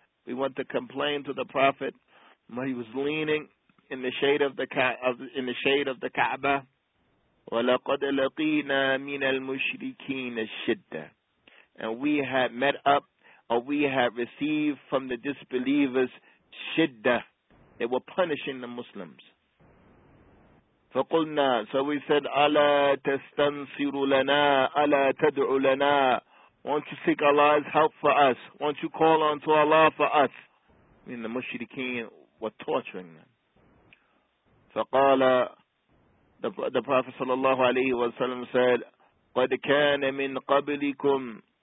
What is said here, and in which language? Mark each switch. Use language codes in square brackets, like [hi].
[en] We want to complain to the Prophet when he was leaning in the shade of the Ka'bah. [ar] وَلَقَدْ لَقِينَا مِنَ الْمُشْرِكِينَ الشِّدَّةِ. [en] And we had met up, or we had received from the disbelievers shiddah. They were punishing the Muslims. [ar] فَقُلْنَا. [en] So we said, [ar] أَلَا تَسْتَنْصِرُ لَنَا أَلَا تَدْعُ لَنَا. [en] Won't you seek Allah's help for us? Won't you call on to Allah for us? I mean, the mushrikeen were torturing them. [ar] فَقَالَ. [en] The Prophet sallallahu alayhi wa sallam said, [ar] قَدْ كَانَ مِنْ قَبْلِكُمْ.